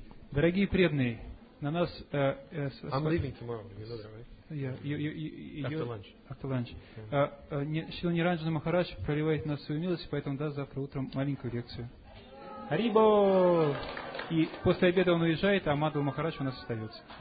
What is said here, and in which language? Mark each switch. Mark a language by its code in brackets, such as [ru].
[ru] Дорогие преданные, на нас... [en] I'm leaving tomorrow, you know that, right? After lunch. [ru] Шрила Ниранджана Махарадж проливает на свою милость, поэтому даст завтра утром маленькую лекцию. Арибо! И после обеда он уезжает, а Мадхва Махарадж у нас остается.